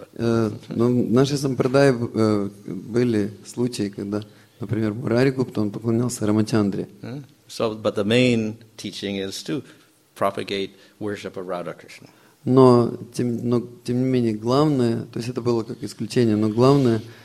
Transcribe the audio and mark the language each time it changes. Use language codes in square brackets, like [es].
[ru] Но в нашей сампрадае были случаи, когда, например, Мурари-гупта, он поклонялся Рамачандре. [en] So, but the main teaching is to propagate worship of Radha Krishna. [ru] Но тем не менее, главное, то есть это было как исключение, но главное...